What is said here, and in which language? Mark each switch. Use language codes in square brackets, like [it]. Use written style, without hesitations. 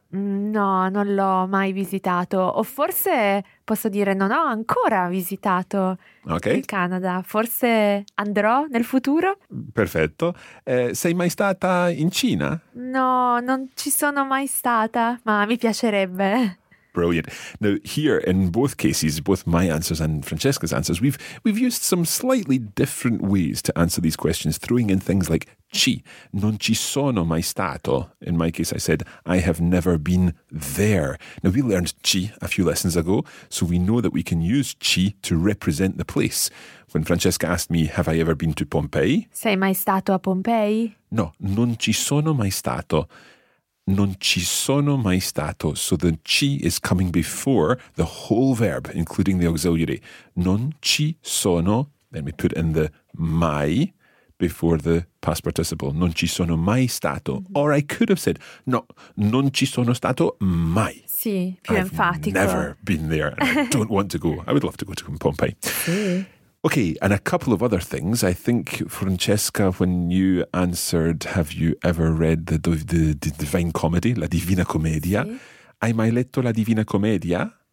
[it] No, non l'ho mai visitato. O forse posso dire non ho ancora visitato il Canada. Forse andrò nel futuro. Perfetto. Sei mai stata in Cina? No, non ci sono mai stata, ma mi piacerebbe. [en] Brilliant. Now, here in both cases, both my answers and Francesca's answers, we've used some slightly different ways to answer these questions, throwing in things like ci, [it] non ci sono mai stato. [en] In my case, I said, I have never been there. Now, we learned ci a few lessons ago, so we know that we can use ci to represent the place. When Francesca asked me, have I ever been to Pompeii? [it] Sei mai stato a Pompeii? No, non ci sono mai stato. Non ci sono mai stato. [en] So the ci is coming before the whole verb, including the auxiliary. [it] Non ci sono. [en] Then we put in the mai before the past participle. [it] Non ci sono mai stato. Mm-hmm. [en] Or I could have said, no, [it] non ci sono stato mai. Sì, più [en] I've [it] enfatico. [en] I've never been there. And I don't want to go. I would love to go to Pompeii. Okay, and a couple of other things. I think, Francesca, when you answered, have you ever read the Divine Comedy, La Divina Commedia? [it] Sì. Hai mai letto La Divina Commedia?